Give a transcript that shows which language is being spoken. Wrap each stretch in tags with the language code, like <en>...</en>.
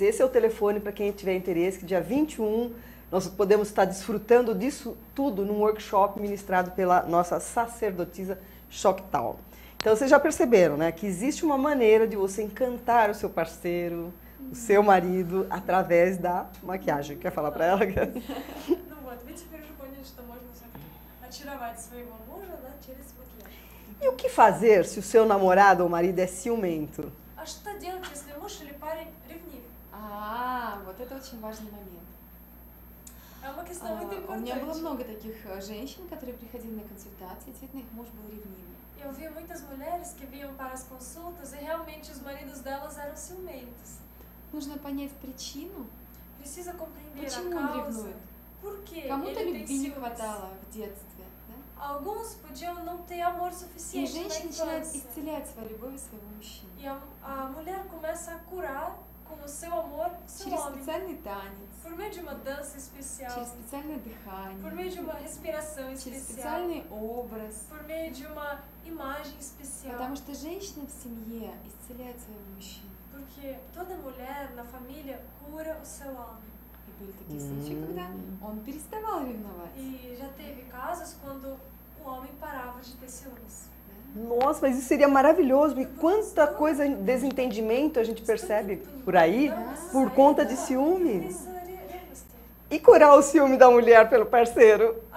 <pt>Esse é o telefone para quem tiver interesse, que dia 21 nós podemos estar desfrutando disso tudo num workshop ministrado pela nossa sacerdotisa Choctaw. Então, vocês já perceberam, né, que existe uma maneira de você encantar o seu parceiro, o seu marido, através da maquiagem. Quer falar para ela?</pt> <ru>Ну вот, ведь теперь уже поняли, что можно всё-таки очаровать своего мужа, да, через макияж.</ru> <pt>E o que fazer se o seu namorado ou marido é ciumento?</pt> <ru>А что делать, если муж или парень ревнив? Вот это очень важный момент.</ru> <pt>É uma questão muito importante.</pt> <ru>У меня было много таких женщин, которые приходили на консультации, действительно, их муж был ревнивый.</ru> <pt>Eu vi muitas mulheres que vinham para as consultas e realmente os maridos delas eram ciumentos.</pt> <ru>Нужно понять причину.</ru> <pt>Precisa compreender</pt> <ru>почему</ru> <pt>a causa.</pt> <ru>Почему он ревнует?</ru> <pt>Por quê?</pt> <ru>Кому-то любви не хватало в детстве, да?</ru> <pt>Alguns podiam não ter amor suficiente.</pt> <ru>И женщина начинает исцелять свою любовь своего мужчины.</ru> <pt>E a mulher começa a curar com o seu amor seu</pt> <ru>через</ru> <pt>homem.</pt> <ru>Специальный танец.</ru> <pt>Por meio de uma dança especial.</pt> <ru>Через специальное дыхание.</ru> <pt>Por meio de uma respiração especial.</pt> <ru>Через специальный образ.</ru> <pt>Por meio de uma imagem especial.</pt> <ru>Потому что женщина в семье исцеляет своего мужчину.</ru> <pt>Porque toda mulher na família cura o seu homem.</pt> <ru>И были такие случаи, когда он переставал ревновать.</ru> <pt>E já teve casos quando o homem parava de ter ciúmes. Nossa, mas isso seria maravilhoso. E quanta coisa, desentendimento a gente percebe por aí, por conta de ciúme. E curar o ciúme da mulher pelo parceiro?</pt>